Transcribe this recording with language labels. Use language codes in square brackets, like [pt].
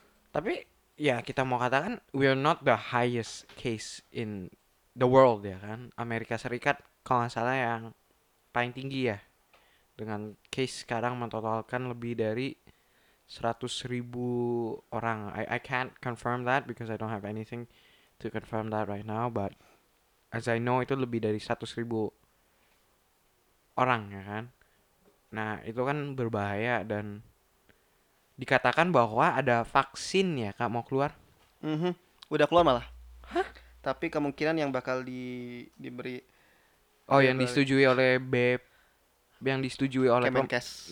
[id] Tapi ya kita mau katakan [en] we are not the highest case in the world [id] ya kan. Amerika Serikat kalau gak salah yang paling tinggi ya. Dengan case sekarang mentotalkan lebih dari 100.000 orang. [en] I can't confirm that because I don't have anything to confirm that right now, but as I know [id] itu lebih dari 100.000 orang ya kan. Nah itu kan berbahaya dan dikatakan bahwa ada vaksin ya kak mau keluar. Udah keluar malah. Hah? Tapi kemungkinan yang bakal diberi. Oh yang disetujui oleh Kemenkes.